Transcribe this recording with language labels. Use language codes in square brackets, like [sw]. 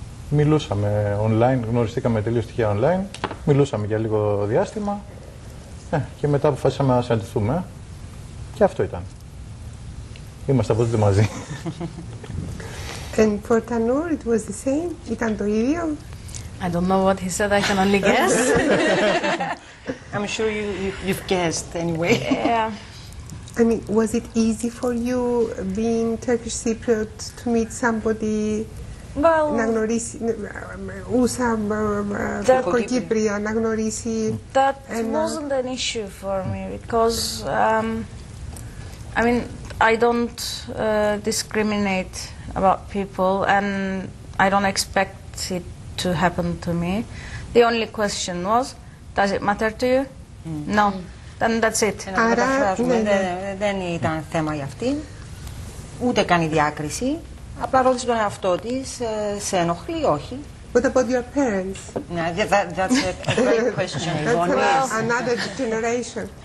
[el] Μιλούσαμε online, γνωριστήκαμε τελείως τυχαία online. Μιλούσαμε για λίγο διάστημα. Και μετά αποφασίσαμε να συναντηθούμε. Και αυτό ήταν. Είμαστε από τότε μαζί. [en] And for Tanur, it was the same. [el] Ήταν το ίδιο. [en] I don't know what he said. I can only guess. I'm sure you've guessed anyway. Yeah. I mean, was it easy for you, being Turkish Cypriot, to meet somebody? Well, [el] να γνωρίσει, ούσα Τουρκοκύπρια, να γνωρίσει. [en] That wasn't an issue for me because, I mean, I don't discriminate about people and I don't expect it to happen to me. The only question was, does it matter to you? Mm. No. Then that's it. [el] Άρα, δεν ήταν θέμα για αυτήν, ούτε κάνει διάκριση. Απλά ρώτησε τον εαυτό της, σε ενοχλεί, όχι. [en] What about your parents? That's a great question. That's another generation.